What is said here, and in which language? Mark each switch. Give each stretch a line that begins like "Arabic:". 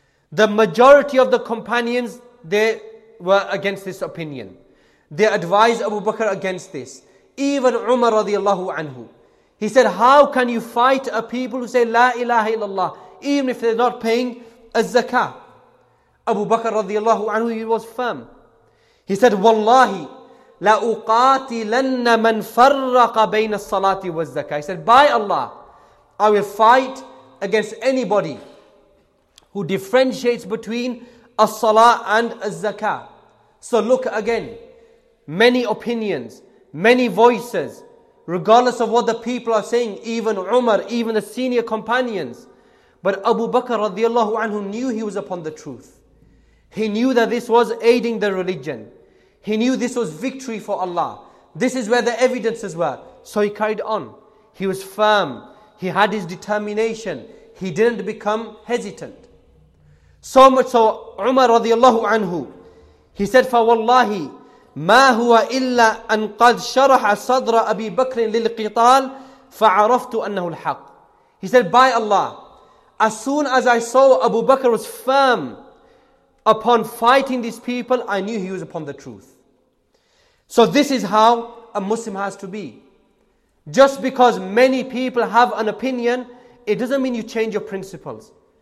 English: The majority of the companions, they were against this opinion. They advised Abu Bakr against this. Even Umar radiallahu anhu, he said, how can you fight a people who say la ilaha illallah, even if they're not paying a zakah? Abu Bakr radiallahu anhu, he was firm. He said, wallahi,
Arabic: لَأُقَاتِلَنَّ مَنْ فَرَّقَ بَيْنَ الصَّلَاةِ وَالزَّكَاةِ.
English: He said, by Allah, I will fight against anybody who differentiates between a salah and a zakah. So look again, many opinions, many voices, regardless of what the people are saying, even Umar, even the senior companions. But Abu Bakr radiallahu anhu knew he was upon the truth. He knew that this was aiding the religion. He knew this was victory for Allah. This is where the evidences were. So he carried on. He was firm. He had his determination. He didn't become hesitant. So much so, Umar radiallahu anhu, he said,
Arabic: فَوَاللَّهِ مَا هُوَ إِلَّا أَنْ قَدْ شَرَحَ صَدْرَ أَبِي بَكْرٍ لِلْقِطَالِ فَعَرَفْتُ أَنَّهُ الْحَقِّ.
English: He said, by Allah, as soon as I saw Abu Bakr was firm upon fighting these people, I knew he was upon the truth. So this is how a Muslim has to be. Just because many people have an opinion, it doesn't mean you change your principles.